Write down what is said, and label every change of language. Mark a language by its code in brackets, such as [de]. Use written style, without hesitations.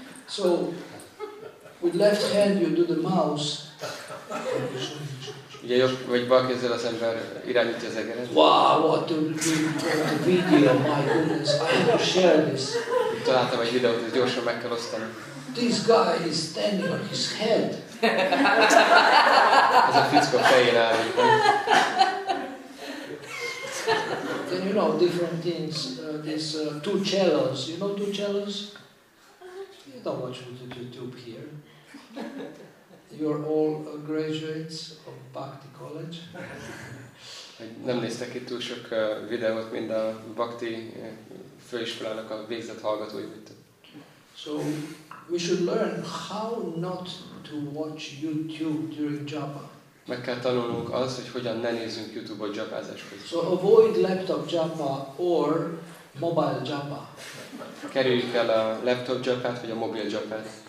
[en] So, with left hand you do the mouse. [hu] Ugye, vagy bal kézzel az ember irányítja az egeret. [en] Wow, what a video, my goodness, I have to share this. [hu] Találtam egy videót, ezt gyorsan meg kell osztani. [en] This guy is standing on his head. [hu] Ez a fickó fején áll. [en] Then you know different things. These two cellos. You know two cellos? You don't watch YouTube here. You're all graduates of Bhakti College. [hu] Nem néztek ki túl sok videót, mint a Bhakti főiskolának a végzett hallgatói vittek. [en] So we should learn how not to watch YouTube during japa. [hu] Meg kell tanulnunk azt, hogy hogyan ne nézzünk YouTube-ot japázás közben. [en] So avoid laptop japa or mobile japa. [hu] Kerüljük el a laptop japát vagy a mobil japát.